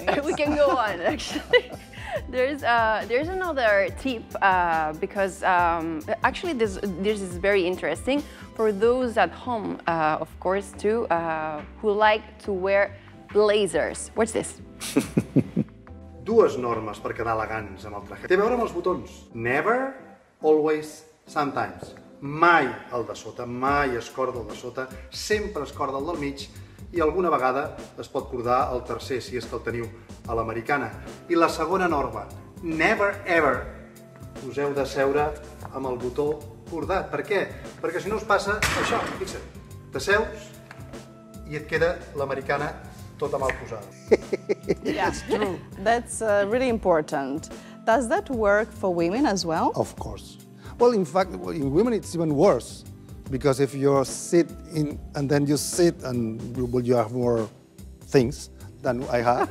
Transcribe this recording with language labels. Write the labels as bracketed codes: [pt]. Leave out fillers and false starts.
[en] Yes. We can go on, actually. There's another tip, because actually this is very interesting for those at home, of course, too, who like to wear blazers. What's this? [ca] Dues normes per quedar elegants amb el traje. Té a veure amb els botons. [en] Never, always, sometimes. [ca] Mai el de sota, mai es corda el de sota, sempre es corda el del mig i alguna vegada es pot cordar el tercer, si és que el teniu a l'americana. I la segona norma, [en] never, ever, [ca] us heu de seure amb el botó cordat. Per què? Perquè si no us passa això, fixa't, t'asseus i et queda l'americana tota mal posada. [en] Yeah, that's really important. Does that work for women as well? Of course. Well, in fact, in women it's even worse, because if you sit in and then you sit and you have more things than I have,